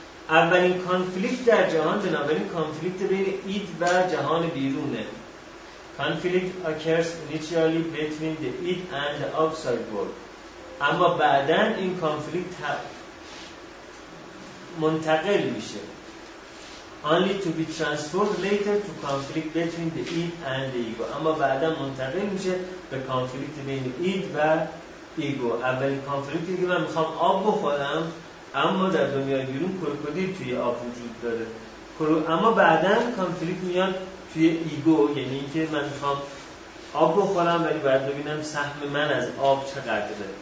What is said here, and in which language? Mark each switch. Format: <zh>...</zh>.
<fa>اولین کانفلیکت در جهان بنابراین کانفلیکت بین اید و جهان بیرونه.</fa> <en>conflict occurs initially between the id and outside world,</en> <fa>اما بعدن این کانفلیکت منتقل میشه.</fa> <en>Only to be transferred later to conflict between the id and the ego.</en> <fa>اما بعدا منتقل میشه به کانفلیکت بین id و ego. اولی کانفلیکتی که من میخوام آب بخورم، اما در دنیا بیرون کروکودیل توی آب وجود داره. اما بعدا کانفلیکت میاد توی ego، یعنی اینکه من میخوام آب بخورم ولی باید ببینم سهم من از آب چقدره.</fa>